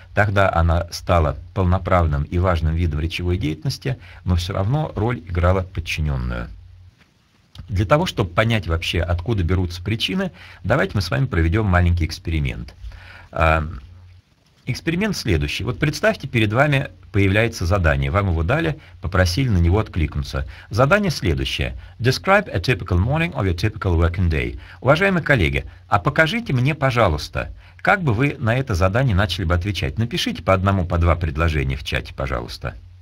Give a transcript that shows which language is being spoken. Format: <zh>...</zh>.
<ru>Тогда она стала полноправным и важным видом речевой деятельности, но все равно роль играла подчиненную. Для того, чтобы понять вообще, откуда берутся причины, давайте мы с вами проведем маленький эксперимент. Эксперимент следующий. Вот представьте, перед вами появляется задание. Вам его дали, попросили на него откликнуться. Задание следующее.</ru> <en>Describe a typical morning of your typical working day.</en> <ru>Уважаемые коллеги, а покажите мне, пожалуйста, как бы вы на это задание начали бы отвечать? Напишите по одному, по два предложения в чате, пожалуйста.</ru>